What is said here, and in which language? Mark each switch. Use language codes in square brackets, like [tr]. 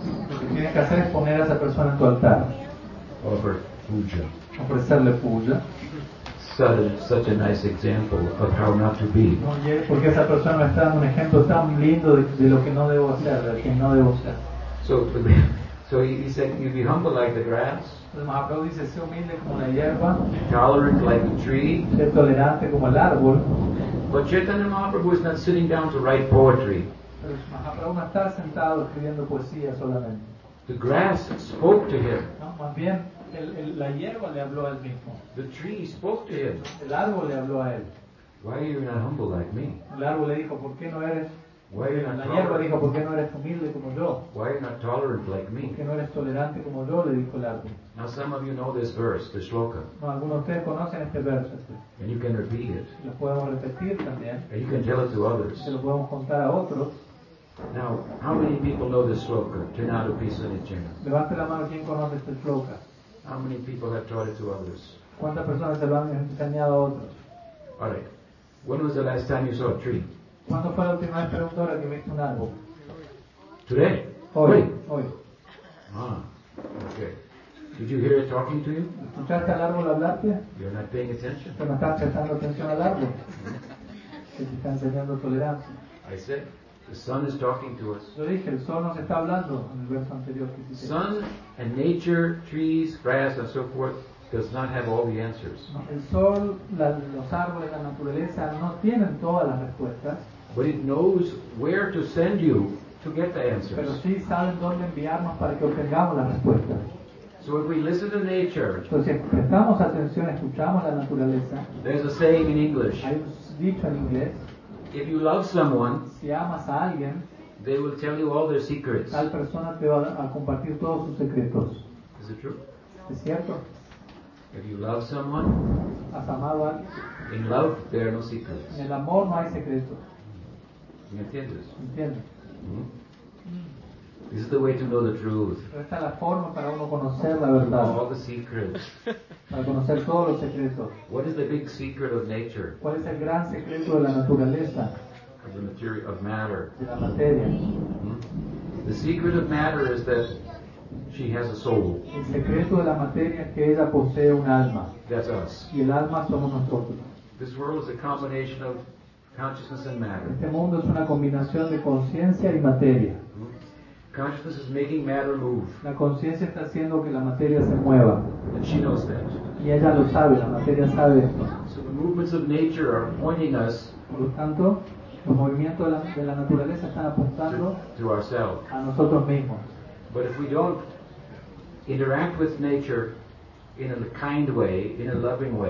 [es] Lo que tienes que hacer es poner a esa persona en tu altar. [en] Offer puja. [es] Ofrecerle puja. [en] Such a nice example of how not to be. [es] Porque esa persona me está dando un ejemplo tan lindo de lo que no debo ser, de quien no debo ser. [en] So So he said, you be humble like the grass. [es] Mahaprabhu dice, sé humilde como la hierba. [en] Tolerant like a tree. [es] Sé tolerante como el árbol. [en] But Chaitanya Mahaprabhu is not sitting down to write poetry. [es] Mahaprabhu no está sentado escribiendo poesía solamente. [en] The grass spoke to him. [es] No, más bien, la hierba le habló a él mismo. [en] The tree spoke to him. [es] El árbol le habló a él. [en] Why are you not humble like me? [es] El árbol le dijo, ¿por qué no eres? [en] Why are you not [es] la hierba [en] tolerant? [es] Dijo, ¿por qué no eres humilde como yo? [en] Why are you not tolerant like me? [es] ¿Por qué no eres tolerante como yo? Le dijo el árbol. [en] Now some of you know this verse, the shloka. [es] No, algunos de ustedes conocen este verso. Este. [en] And you can repeat it. [es] Lo podemos repetir también. [en] And you can tell it to others. [es] Se lo podemos contar a otros. [en] Now, how many people know this shloka? Tenado pisanichena. [es] Levante la mano quien conoce este shloka. [en] How many people have taught it to others? [es] ¿Cuántas personas se lo han enseñado a otros? [en] All right. When was the last time you saw a tree? [es] ¿Cuándo fue la última vez, pregunta ahora, que viste un árbol? [en] Today. [es] Hoy. [en] Ah, okay. Did you hear it talking to you? [es] ¿Escuchaste al árbol hablarte? [en] You're not paying attention. [es] ¿Pero no estás prestando atención al árbol? Que te está enseñando tolerancia. [en] I said, the sun is talking to us. [es] Yo dije, el sol nos está hablando en el verso anterior. [en] Sun and nature, trees, grass, and so forth, does not have all the answers. [es] No, el sol, los árboles, la naturaleza no tienen todas las respuestas. [en] But it knows where to send you to get the answers. [es] Pero sí saben dónde enviarnos para que obtengamos las respuestas. [en] So if we listen to nature, [es] entonces, si prestamos atención, escuchamos la naturaleza. [en] There's a saying in English. [es] Hay un dicho en inglés. [en] If you love someone, [es] si amas a alguien, [en] they will tell you all their secrets. [es] Tal persona te va a compartir todos sus secretos. [en] Is it true? [es] ¿Es cierto? [en] If you love someone, [es] has amado a alguien, [en] in love there are no secrets. [es] En el amor no hay secretos. ¿Me entiendes? Entiendo. [en] This is the way to know the truth. [es] Esta es la forma para uno conocer la verdad. [en] Know all the secrets. [es] Para conocer todos los secretos. [en] What is the big secret of nature? [es] ¿Cuál es el gran secreto de la naturaleza? [en] Of the material of matter. [es] De la materia. [en] The secret of matter is that she has a soul. [es] El secreto de la materia es que ella posee un alma. [en] That's us. [es] Y el alma somos nosotros. [en] This world is a combination of consciousness and matter. [es] Este mundo es una combinación de conciencia y materia. [en] Consciousness is making matter move. [es] La conciencia está haciendo que la materia se mueva. [en] And she knows that. [es] Y ella lo sabe, la materia sabe esto. [en] So the movements of nature are pointing us. [es] Por lo tanto, los movimientos de la naturaleza están apuntando [en] to ourselves. [es] A nosotros mismos. [en] But if we don't interact with nature in a kind way, in a loving way.